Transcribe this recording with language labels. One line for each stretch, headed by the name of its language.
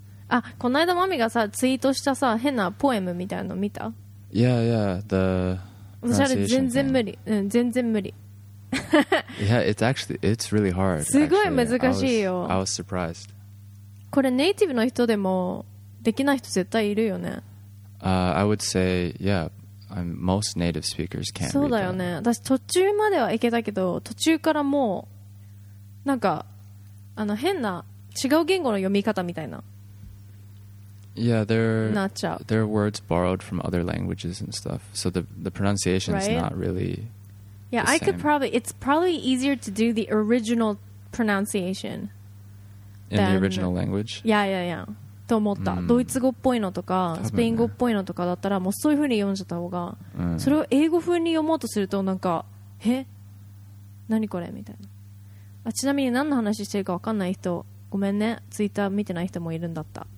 Japanese: あ、この間マミがさ、ツイートしたさ、変なポエムみたいの見た？
English: Yeah, yeah, the pronunciation thing.
Japanese: 無理、うん、全然無理。
English: Yeah, it's actually, it's really hard.
Japanese: すごい難しいよ。
English: I was surprised.
Japanese: これネイティブの人でもできない人絶対いるよね。
English: I would say, yeah, most native speakers can't read that.
Japanese: そうだよね。私途中まではいけたけど、途中からもう、なんか、あの変な違う言語の読み方みたいな。
English: Yeah, there are words borrowed from other languages and stuff. So the pronunciation is not really. Yeah, the same. I could probably. It's probably easier to do the original pronunciation. In the original language. Yeah, yeah, yeah.
Japanese: と思った。ドイツ語っぽいのとか、スペイン語っぽいのとかだったら、もうそういう風に読んじゃった方が、それを英語風に読もうとするとなんか、え、何これみたいな。あ、ちなみに何の話してるかわかんない人、ごめんね。ツイッター見てない人もいるんだった。